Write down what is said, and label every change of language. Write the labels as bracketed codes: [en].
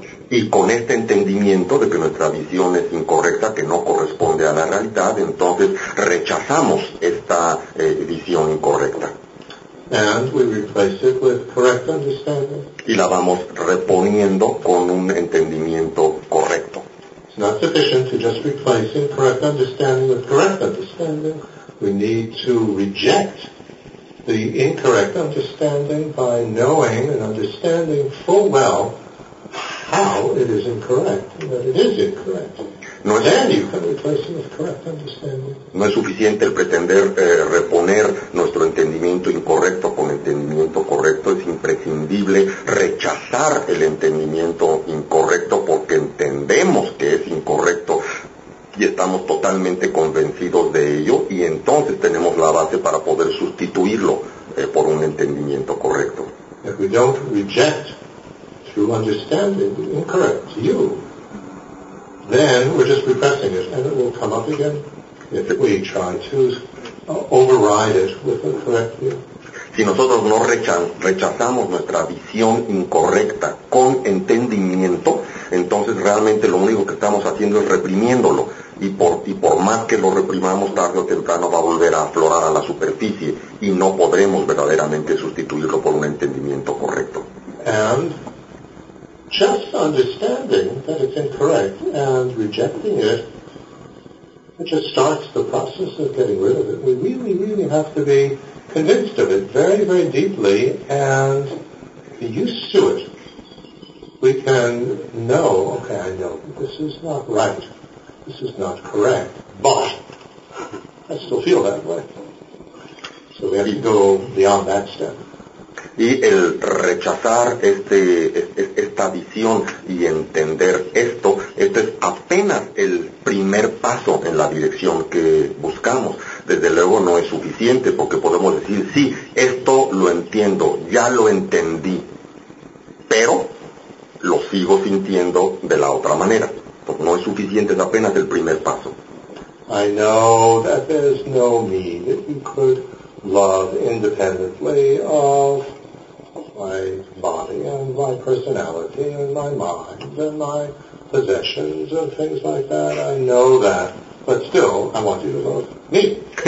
[es] Y con este entendimiento de que nuestra visión es incorrecta, que no corresponde a la realidad, entonces rechazamos esta visión incorrecta. [en] And we replace it with correct understanding. [es] Y la vamos reponiendo con un entendimiento correcto. [en] It's not sufficient to just replace incorrect understanding with correct understanding. We need to reject the incorrect understanding by knowing and understanding full well how it is incorrect, that it is incorrect. [es] No es, suficiente el pretender reponer nuestro entendimiento incorrecto con entendimiento correcto. Es imprescindible rechazar el entendimiento incorrecto porque entendemos que es incorrecto y estamos totalmente convencidos de ello, y entonces tenemos la base para poder sustituirlo por un entendimiento correcto. [en] If we don't reject through understanding the incorrect view, then we're just repressing it, and it will come up again if we try to override it with a correct view. [es] Si nosotros no rechazamos nuestra visión incorrecta con entendimiento, entonces realmente lo único que estamos haciendo es reprimiéndolo. Y por más que lo reprimamos, tarde o temprano va a volver a aflorar a la superficie y no podremos verdaderamente sustituirlo por un entendimiento correcto. [en] And just understanding that it's incorrect and rejecting it, it just starts the process of getting rid of it. We really, really have to be convinced of it very, very deeply and be used to it. We can know, okay, I know this is not right, this is not correct, but I still feel that way. So we have to go beyond that step. [es] Y el rechazar esta visión y entender esto, este es apenas el primer paso en la dirección que buscamos. Desde luego no es suficiente, porque podemos decir, sí, esto lo entiendo, ya lo entendí, pero lo sigo sintiendo de la otra manera. Pues no es suficiente, es apenas el primer paso. [en] I know that there's no mean that you could love independently of my body and my personality and my mind and my possessions and things like that. I know that, but still, I want you to love me.